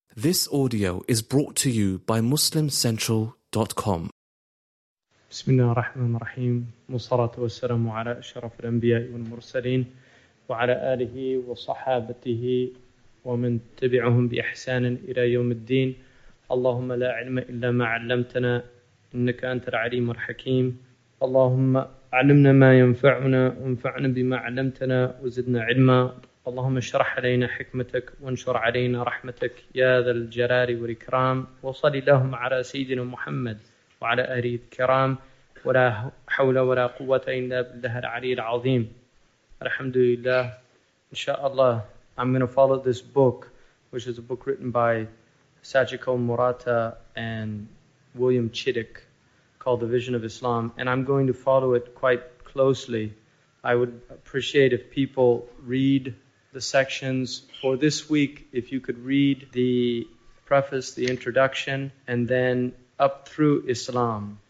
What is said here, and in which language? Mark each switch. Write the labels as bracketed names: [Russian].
[English] This audio is brought to you by MuslimCentral.com. [Arabic] بسم الله الرحمن الرحيم والصلاة والسلام على أشرف الأنبياء والمرسلين وعلى آله وصحابته ومن تبعهم بإحسان إلى يوم الدين. اللهم لا علم إلا ما علمتنا إنك أنت العليم الحكيم. اللهم علمنا ما ينفعنا وانفعنا بما علمتنا وزدنا علما. اللهم اشرح علينا حكمتك وانشر علينا رحمتك يا ذا الجلال والإكرام. وصلي اللهم على سيدنا محمد وعلى آله الكرام. ولا حول ولا قوة إلا بالله العلي العظيم. الحمد لله. [English] إن شاء الله I'm going to follow this book, which is a book written by Sajiko Murata and William Chittick called The Vision of Islam. And I'm going to follow it quite closely. I would appreciate if people read the sections for this week, if you could read the preface, the introduction, and then up through Islam.